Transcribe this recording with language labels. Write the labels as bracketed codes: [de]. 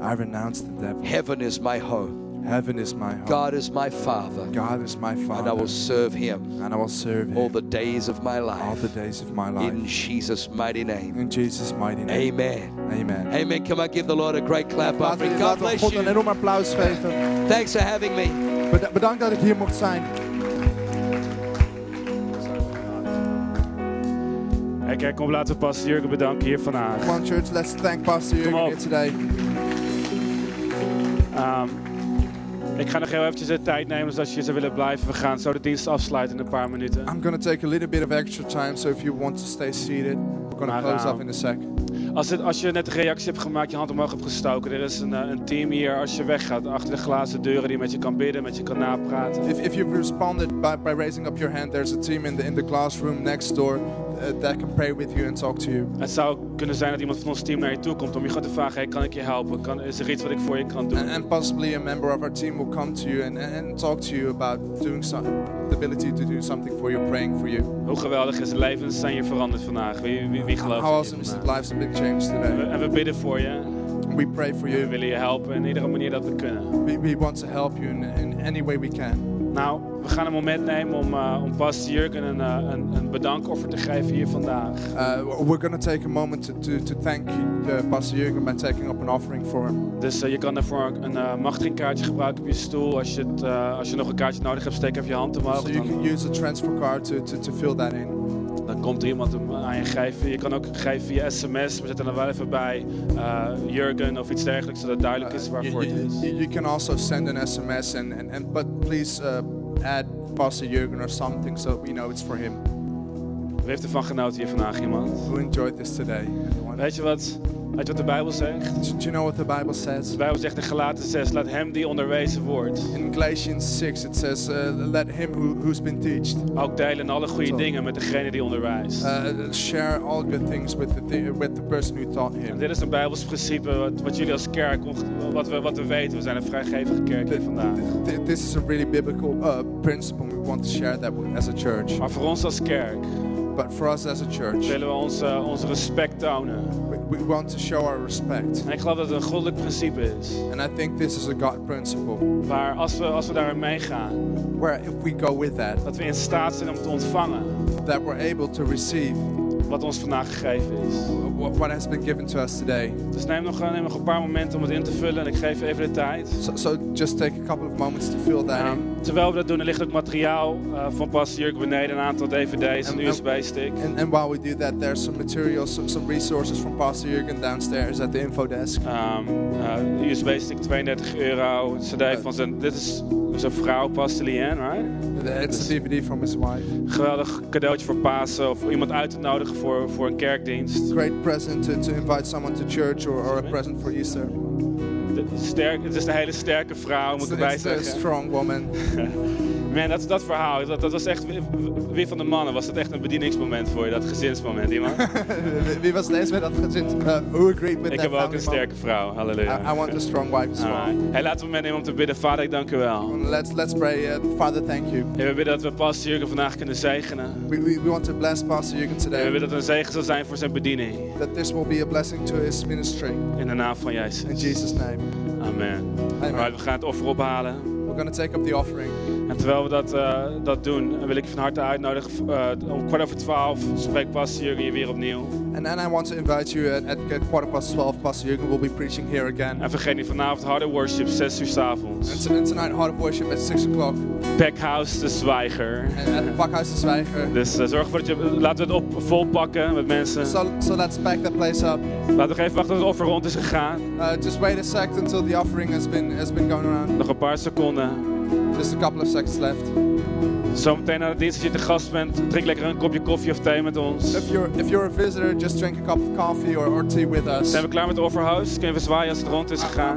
[en] I renounce the devil. Heaven is my home. Heaven is my home. God is my Father. God is my Father. And I will serve Him. And I will serve Him. All the days of my life. All the days of my life. In Jesus' mighty name. In Jesus' mighty name. Amen. Amen. Amen. Come on, give the Lord a great clap offering. God bless you. [nl] Een enorm applaus geven. [en] Thanks for having me. [nl] Bedankt dat ik hier mocht zijn. Hey, kijk, kom, laten we Pastor Jurgen bedanken hier vandaag. [en] Come on, church, let's thank Pastor Jurgen here today. [nl] Ik ga nog heel eventjes de tijd nemen, dus als je zou willen blijven, we gaan zo de dienst afsluiten in een paar minuten. [en] I'm going to take a little bit of extra time, so if you want to stay seated, we're going to close up in a sec. [nl] Als je net een reactie hebt gemaakt, je hand omhoog hebt gestoken, er is een team hier als je weggaat, achter de glazen deuren die met je kan bidden, met je kan napraten. [en] If you've responded by raising up your hand, there's a team in the classroom next door that can pray with you and talk to you. [nl] Het zou kunnen zijn dat iemand van ons team naar je toe komt om je gewoon te vragen, hey, kan ik je helpen? Is er iets wat ik voor je kan doen? [en] And possibly a member of our team will come to you and talk to you about doing the ability to do something for you, praying for you. [nl] Hoe geweldig is het, levens zijn je veranderd vandaag. Wie gelooft [en] How awesome is it, lives have been changed today. [nl] En we bidden voor je. [en] We pray for you. [nl] We willen je helpen in iedere manier dat we kunnen. [en] We want to help you in any way we can. [nl] Nou, we gaan een moment nemen om om Pastor Jurgen een bedankoffer te geven hier vandaag. [en] We're going to take a moment to thank Pastor Jurgen by taking up an offering for him. [nl] Dus je kan daarvoor een machtigingkaartje gebruiken op je stoel. Als je nog een kaartje nodig hebt, steek even je hand omhoog. [en] So you can use a transfer card to fill that in. [nl] Dan komt er iemand hem aan je geven. Je kan ook geven via sms. We zetten er wel even bij Jurgen of iets dergelijks, zodat het duidelijk is waarvoor het is. [en] You can also send an sms and but please add Pastor Jurgen or something so we know it's for him. [nl] Wie heeft ervan genoten hier vandaag, iemand? [en] Who enjoyed this today, anyone? [nl] Weet je wat de Bijbel zegt? [en] Do you know what the Bible says? [nl] De Bijbel zegt in Galaten 6, laat hem die onderwezen wordt. [en] In Galatians 6 it says, let him who's been taught. [nl] Ook delen alle goede dingen met degene die onderwijst. [en] Share all good things with the person who taught him. [nl] En dit is een Bijbels principe wat jullie als kerk, wat we weten, we zijn een vrijgevige kerk hier vandaag. [en] This is a really biblical principle and we want to share that as a church. [nl] Maar voor ons als kerk. [en] But for us as a church, [nl] willen we ons respect tonen. [en] We want to show our respect. [nl] En ik geloof dat het een goddelijk principe is. [en] And I think this is a God principle. [nl] Waar als we daarin meegaan, [en] where if we go with that, [nl] dat we in staat zijn om te ontvangen, [en] that we're able to receive, [nl] wat ons vandaag gegeven is. [en] What has been given to us today. [nl] Dus neem nog een paar momenten om het in te vullen en ik geef even de tijd. [en] So just take a couple of moments to fill that in. [nl] Terwijl we dat doen, er ligt ook materiaal van Pastor Jurk beneden, een aantal DVD's en USB. [en] And while we do that, there's some materials, some resources from Pastor Jurgen downstairs at the info desk. [nl] USB stick, €32. CD van zijn, dit is zijn vrouw, Pastor Leanne, right? [en] It's a DVD from his wife. [nl] Geweldig cadeautje voor Pasen of iemand uit te nodigen voor een kerkdienst. [en] Great present to invite someone to church or a present for Easter. [nl] Het is een hele sterke vrouw, moet ik erbij zeggen. [en] It's a strong woman. [nl] Man, dat is dat verhaal. Dat was echt, wie van de mannen was dat echt een bedieningsmoment voor je, dat gezinsmoment, iemand? Wie was deze met dat gezinsmoment? [en] Who agreed with [nl] ik [en] that? [nl] Ik heb ook een sterke vrouw, halleluja. [en] I want a strong wife as well. [nl] Hey, laten we een moment nemen om te bidden. Vader, ik dank u wel. [en] Let's pray, Father, thank you. [nl] Hey, we bidden dat we Pastor Jurgen vandaag kunnen zegenen. [en] We want to bless Pastor Jurgen today. [nl] Hey, we bidden dat het een zegen zal zijn voor zijn bediening. [en] That this will be a blessing to his ministry. [nl] In de naam van Jezus. [en] In Jesus' name. [nl] Amen. [en] Amen. [nl] Alright, we gaan het offer ophalen. [en] We're going to take up the offering. [nl] En terwijl we dat doen, wil ik je van harte uitnodigen. Om 11:15 spreek Pastor Jurgen hier weer opnieuw. [en] And then I want to invite you at 12:15, Pastor Jurgen will be preaching here again. [nl] En vergeet niet, vanavond Heart of Worship, 6:00 PM. [en] And tonight Heart of Worship at 6:00. [nl] Backhouse de Zwijger. [en] At Backhouse de Zwijger. [nl] Dus zorg ervoor dat je, laten we het op vol pakken met mensen. [en] So let's pack that place up. [nl] Laten we even wachten tot het offer rond is gegaan. [en] Just wait a sec until the offering has been going around. [nl] Nog een paar seconden. [en] Just a couple of seconds left. [nl] Zometeen na de dienst als je te gast bent, drink lekker een kopje koffie of thee met ons. [en] If you're a visitor, just drink a cup of coffee or tea with us. [nl] Zijn we klaar met de offerhouse? Kunnen we zwaaien als het rond is gegaan?